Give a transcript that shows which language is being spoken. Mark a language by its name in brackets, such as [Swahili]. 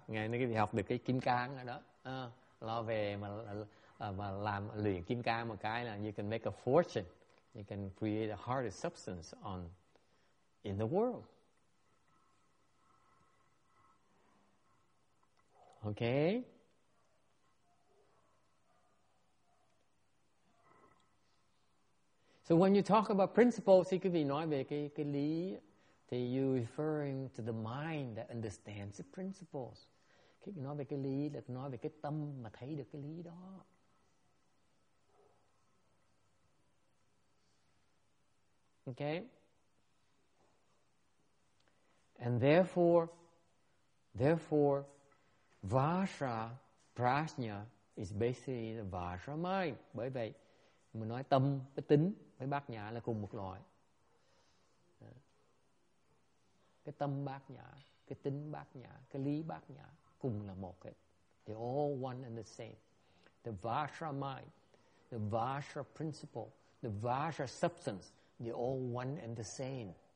[Vietnamese] Ngày nay quý vị học được cái kim cang đó. Lo về mà làm luyện kim cang một cái là [English] you can make a fortune. You can create a hardest substance in the world. Okay. So when you talk about principles, you could be [Vietnamese] nói về cái lý, thì [English] you referring to the mind that understands the principles. [Vietnamese] Khi nói về cái lý là nói về cái tâm mà thấy được cái lý đó. Okay. [English] And therefore, Vajra Prajna is basically the Vajra mind. [Vietnamese] Bởi vậy, mình nói tâm với tính với bát nhã là cùng một loại. Cái tâm bát nhã, cái tính bát nhã, cái lý bát nhã cùng là một cái. [English] They all one and the same. The Vajra mind, the Vajra principle, the Vajra substance, they all one and the same.